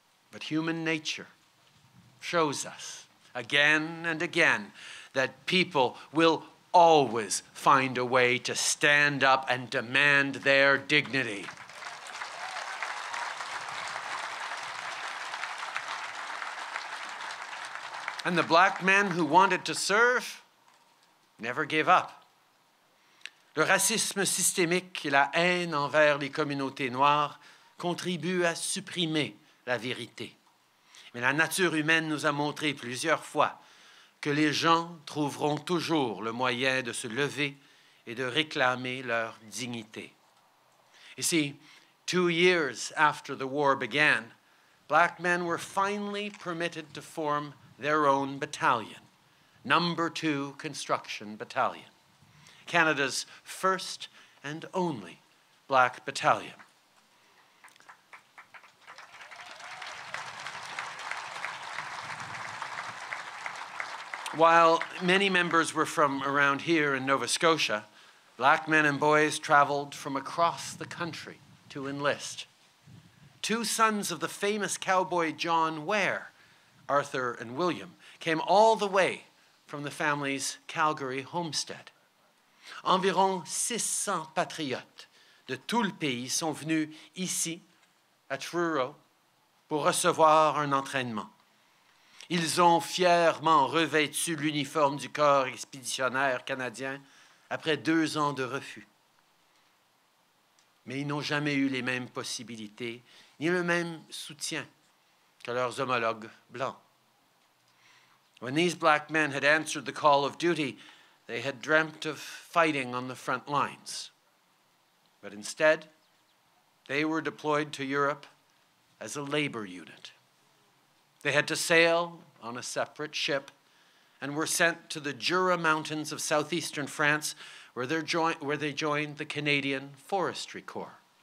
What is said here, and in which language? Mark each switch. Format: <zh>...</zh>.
<en>But human nature shows us again and again that people will always find a way to stand up and demand their dignity. And the black men who wanted to serve never gave up.</en> <fr>Le racisme systémique et la haine envers les communautés noires contribuent à supprimer la vérité. Mais la nature humaine nous a montré plusieurs fois que les gens trouveront toujours le moyen de se lever et de réclamer leur dignité.</fr> <en>You see, 2 years after the war began, black men were finally permitted to form their own battalion, Number 2 Construction Battalion, Canada's first and only black battalion. While many members were from around here in Nova Scotia, black men and boys traveled from across the country to enlist. Two sons of the famous cowboy John Ware, Arthur and William, came all the way from the family's Calgary homestead.</en> <fr>Environ 600 patriotes de tout le pays sont venus ici, à Truro, pour recevoir un entraînement. Ils ont fièrement revêtu l'uniforme du corps expéditionnaire canadien après 2 ans de refus. Mais ils n'ont jamais eu les mêmes possibilités ni le même soutien que leurs homologues blancs.</fr> <en>When these black men had answered the call of duty, they had dreamt of fighting on the front lines. But instead, they were deployed to Europe as a labor unit. They had to sail on a separate ship and were sent to the Jura Mountains of southeastern France, where they joined the Canadian Forestry Corps.</en>